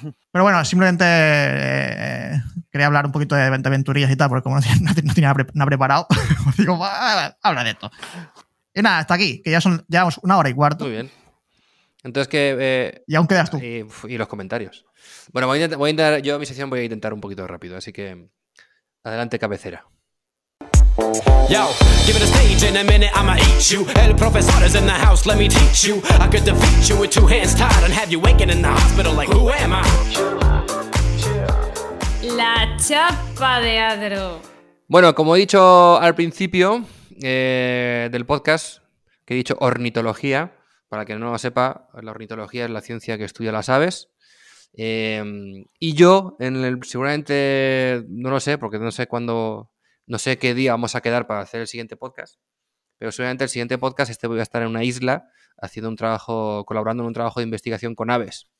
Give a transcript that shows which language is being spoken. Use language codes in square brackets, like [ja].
[es] Pero bueno, simplemente quería hablar un poquito de aventurillas y tal, porque como no tenía preparado, digo, habla de esto. Y nada, hasta aquí, que ya son ya una hora y cuarto. Muy bien. Entonces, ¿qué? Y aún quedas tú. Y los comentarios. Bueno, voy a intentar un poquito rápido, así que adelante, cabecera. [en] Yo, give it a stage in a minute, I'ma eat you. [es] El profesor [en] is in the house, let me teach you. I could defeat you with two hands tied and have you waking in the hospital like, who am I? [es] La chapa de Adro. Bueno, como he dicho al principio del podcast, que he dicho ornitología, para que no lo sepa, la ornitología es la ciencia que estudia las aves. Y yo, seguramente, no lo sé, porque no sé cuándo, no sé qué día vamos a quedar para hacer el siguiente podcast, pero seguramente el siguiente podcast voy a estar en una isla haciendo un trabajo, colaborando en un trabajo de investigación con aves.